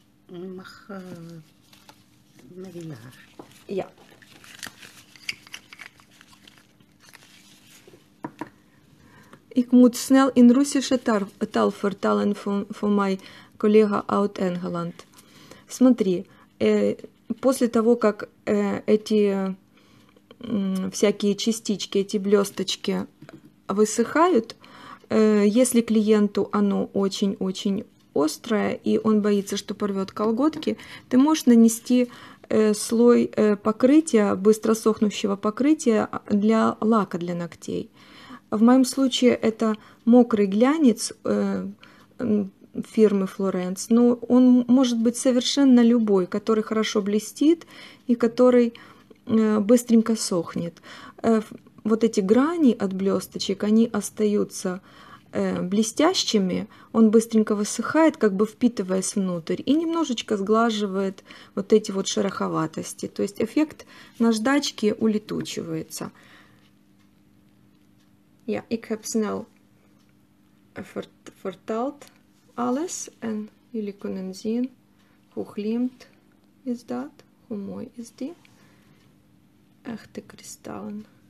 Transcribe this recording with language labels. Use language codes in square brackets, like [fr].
[nl] Mag Marina. Ja. Ik moet snel in Russische taal vertellen voor mijn collega uit Engeland. [ru] Смотри, после того, как эти всякие частички, эти блесточки высыхают, если клиенту оно очень-очень острое, и он боится, что порвет колготки, ты можешь нанести слой покрытия, быстро сохнущего покрытия для лака для ногтей. В моем случае это мокрый глянец фирмы Florence, но он может быть совершенно любой, который хорошо блестит и который быстренько сохнет. Вот эти грани от блесточек, они остаются блестящими, он быстренько высыхает, как бы впитываясь внутрь, и немножечко сглаживает вот эти вот шероховатости. То есть эффект наждачки улетучивается. [nl] Ja, ik heb snel verteld alles en jullie kunnen zien hoe glimt is dat, hoe mooi is die. Echte kristallen.